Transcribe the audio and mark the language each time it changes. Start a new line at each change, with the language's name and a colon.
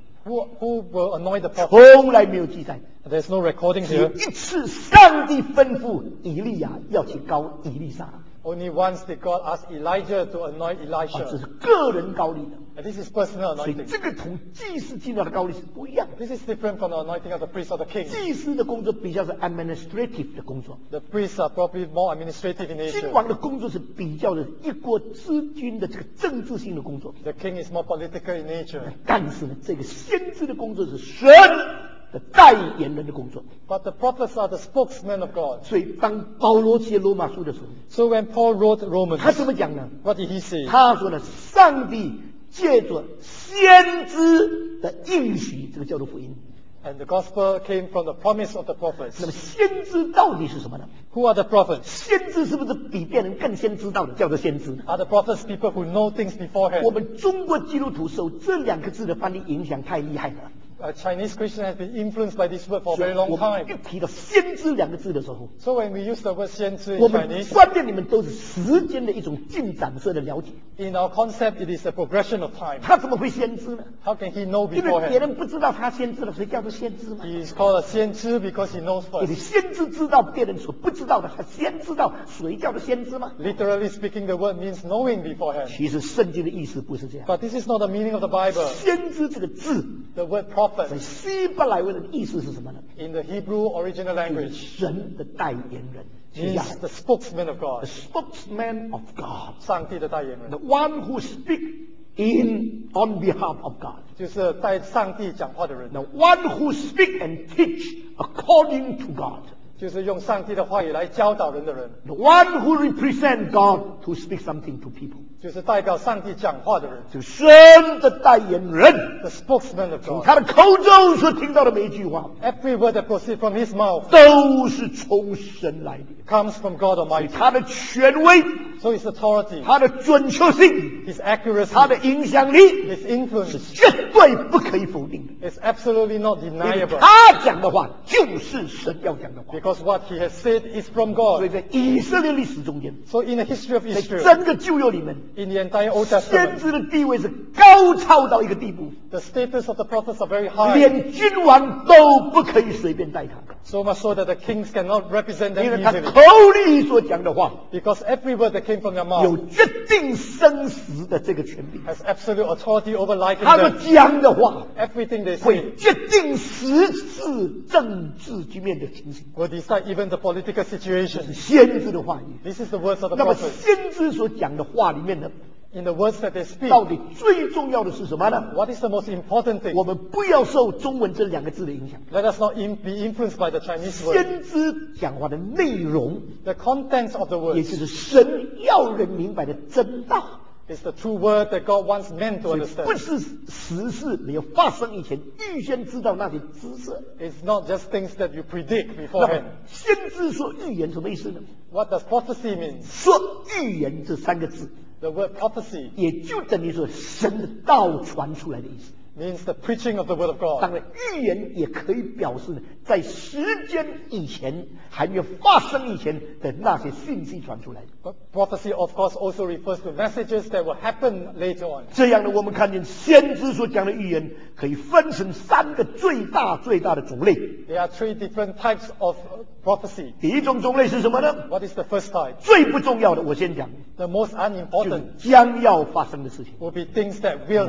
English: Who will anoint the prophet?
Chinese: 从来没有记载。
English: There's no recording here.
Chinese: 只一次上帝吩咐以利亚要去高以利沙。
English: Only once did God ask Elijah to anoint Elisha.
Chinese: 这是个人高立的。
English: And this is personal anointing.
Chinese: 所以这个同祭司进到的高立是不一样的。
English: This is different from the anointing of the priest or the king.
Chinese: 祭司的工作比较是 administrative 的工作。
English: The priests are probably more administrative in nature.
Chinese: 君王的工作是比较的一国之君的这个政治性的工作。
English: The king is more political in nature.
Chinese: 但是呢，这个先知的工作是神的代言人的工作。
English: But the prophets are the spokesmen of God.
Chinese: 所以当保罗写罗马书的时候
English: ，So when Paul wrote Romans，
Chinese: 他怎么讲呢
English: ？What did he say？
Chinese: 他说呢，上帝借着先知的应许，这个叫做福音。
English: And the gospel came from the promise of the prophets.
Chinese: 那么先知到底是什么呢
English: ？Who are the prophets？
Chinese: 先知是不是比别人更先知道的叫做先知
English: ？Are the prophets people who know things beforehand？
Chinese: 我们中国基督徒受这两个字的翻译影响太厉害了。
English: Chinese Christian has been influenced by this word for a very long time.
Chinese: 一提到先知两个字的时候
English: ，So when we use the word 先知 in Chinese,
Chinese: 我们观念里面都是时间的一种进展式的了解。
English: In our concept, it is a progression of time.
Chinese: 他怎么会先知呢
English: ？How can he know beforehand?
Chinese: 因为别人不知道他先知了，谁叫做先知吗
English: ？He is called a 先知 because he knows first.
Chinese: 你先知知道别人所不知道的，他先知道，谁叫做先知吗
English: ？Literally speaking, the word means knowing beforehand.
Chinese: 其实圣经的意思不是这样。
English: But this is not the meaning of the Bible.
Chinese: 先知这个字
English: ，the word prophet.
Chinese: 在希伯来文的意思是什么呢
English: ？In the Hebrew original language,
Chinese: 神的代言人
English: ，is the spokesman of God, the spokesman of God,
Chinese: 上帝的代言人
English: ，the one who speak in on behalf of God,
Chinese: 就是代上帝讲话的人
English: ，the one who speak and teach according to God,
Chinese: 就是用上帝的话语来教导人的人
English: ，the one who represent God to speak something to people.
Chinese: 就是代表上帝讲话的人，就神的代言人
English: ，the spokesman of God，
Chinese: 从他的口中所听到的每一句话
English: ，every word that proceeds from his mouth，
Chinese: 都是从神来的
English: ，comes from God Almighty。
Chinese: 他的权威
English: ，so his authority，
Chinese: 他的准确性
English: ，his accuracy，
Chinese: 他的影响力
English: ，his influence，
Chinese: 是绝对不可以否定的
English: ，is absolutely not deniable。
Chinese: 他讲的话就是神要讲的话
English: ，because what he has said is from God。
Chinese: 所以在以色列历史中间
English: ，so in the history of Israel，
Chinese: 在整个旧约里面。
English: In the entire Old Testament,
Chinese: 先知的地位是高超到一个地步
English: The status of the prophets are very high.
Chinese: 连君王都不可以随便带他
English: So much so that the kings cannot represent them easily.
Chinese: 因为他口里所讲的话
English: Because every word that came from their mouth
Chinese: 有决定生死的这个权柄
English: Has absolute authority over life.
Chinese: 他们讲的话
English: Everything they say
Chinese: 会决定实质政治局面的情形
English: Will decide even the political situation.
Chinese: 这是先知的话语
English: This is the words of the prophets.
Chinese: 那么先知所讲的话里面
English: In the words that they speak,
Chinese: 到底最重要的是什么呢
English: ？What is the most important thing？
Chinese: 我们不要受中文这两个字的影响。
English: Let us not be influenced by the Chinese word。
Chinese: 先知讲话的内容
English: ，the contents of the words，
Chinese: 也就是神要人明白的真道。
English: It's the true word that God wants men to understand.
Chinese: 不是时事没有发生以前预先知道那些知识。
English: It's not just things that you predict beforehand.
Chinese: 先知说预言什么意思呢
English: ？What does prophecy mean？
Chinese: 说预言这三个字
English: ，the word prophecy，
Chinese: 也就等于说神的道传出来的意思。
English: Means the preaching of the word of God.
Chinese: 当然，预言也可以表示在时间以前还没有发生以前的那些信息传出来。
English: But prophecy, of course, also refers to messages that will happen later on.
Chinese: 这样呢，我们看见先知所讲的预言可以分成三个最大最大的种类。
English: There are three different types of prophecy.
Chinese: 第一种种类是什么呢
English: ？What is the first type?
Chinese: 最不重要的，我先讲。
English: The most unimportant.
Chinese: 就是将要发生的事情。
English: Will be things that will.